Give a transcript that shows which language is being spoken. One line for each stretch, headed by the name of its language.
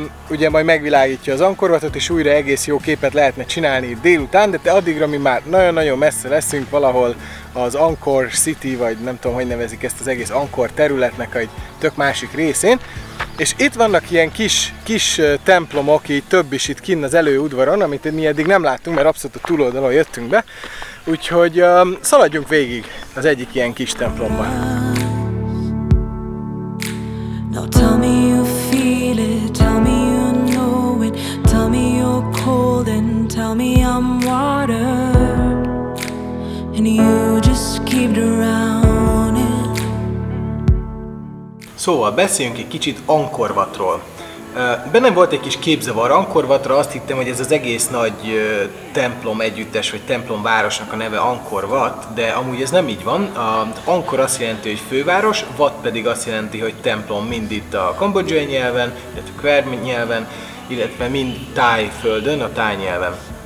Hungarian: ugye majd megvilágítja az Angkor Watot, és újra egész jó képet lehetne csinálni délután, de te addigra mi már nagyon-nagyon messze leszünk valahol az Angkor City, vagy nem tudom, hogy nevezik ezt az egész Angkor területnek egy tök másik részén. És itt vannak ilyen kis templomok, így több is itt kinn az előudvaron, amit mi eddig nem láttunk, mert abszolút a túloldalon jöttünk be. Úgyhogy szaladjunk végig az egyik ilyen kis templomban.
English: Now tell me you feel it, tell me you know it, tell me you're cold and tell me I'm water, and you just keep drowning.
Hungarian: Szóval beszéljünk egy kicsit Angkor Watról. Bennem volt egy kis képzavar Angkor Watra, azt hittem, hogy ez az egész nagy templom együttes, vagy templom városnak a neve Angkor Wat, de amúgy ez nem így van. Angkor azt jelenti, hogy főváros, Wat pedig azt jelenti, hogy templom, mind itt a kambodzsai nyelven, illetve Khmer nyelven, illetve mind Thaiföldön, a Thai nyelven.